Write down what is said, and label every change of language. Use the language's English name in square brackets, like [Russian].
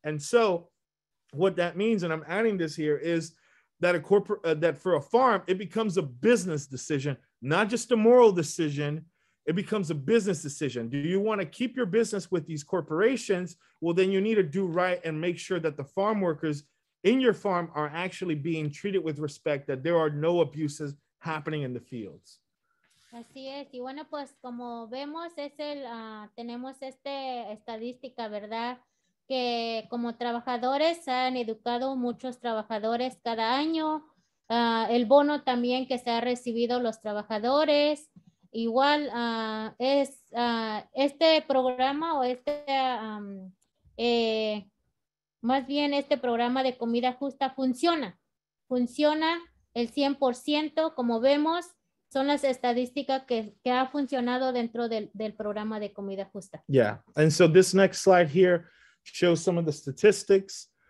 [English] And so what that means, and I'm adding this here, is that for a farm, it becomes a business decision, not just a moral decision. It becomes a business decision. Do you want to keep your business with these corporations? Well, then you need to do right and make sure that the farm workers in your farm are actually being treated with respect, that there are no abuses happening in the fields. [Spanish] Así es, y bueno, pues como vemos, es el tenemos esta estadística, ¿verdad? Que como trabajadores han educado muchos trabajadores cada año, el bono también que se ha recibido los trabajadores, igual este programa o este, más bien este programa de comida justa funciona el 100%, como vemos. Son las estadísticas que ha funcionado dentro del programa de comida justa. [English] Yeah, and so this next slide here shows some of the statistics.